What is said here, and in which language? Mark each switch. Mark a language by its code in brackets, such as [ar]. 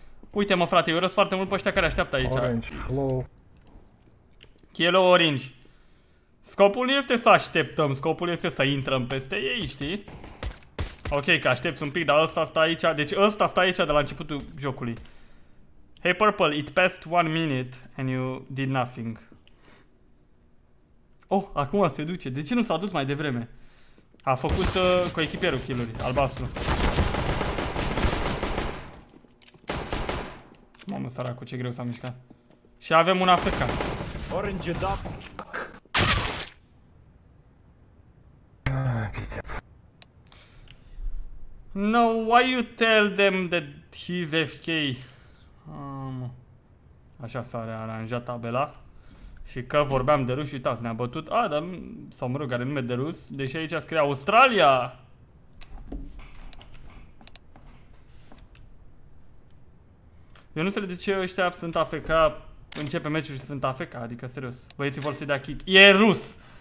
[ro] Uite mă frate, eu răs foarte mult pe ăștia care așteaptă aici. [en] Orange, hello. Hello, orange. [ro] Scopul nu este să așteptăm, scopul este să intrăm peste ei, știi? Ok, că aștepți un pic, dar ăsta stă aici. Deci ăsta stă aici de la începutul jocului. [en] Hey purple, it passed 1 minute and you did nothing. [ro] Oh, acum se duce. De ce nu s-a dus mai devreme? A făcut cu echipierul kill-uri, albastru. Mamă, săracu, ce greu s-a mișcat. Și avem un AFK. Orange, da. [en] No, why you tell them that he's FK? [ro] Așa s-a rearanjat tabela. Și că vorbeam de rus, uitați, ne-a bătut Adam, sau mă rog, are nume de rus, deși aici scrie Australia! Eu nu înțeleg de ce ăștia sunt AFK, începe meciul și sunt AFK, adică serios, băieții vor să dea kick. E rus!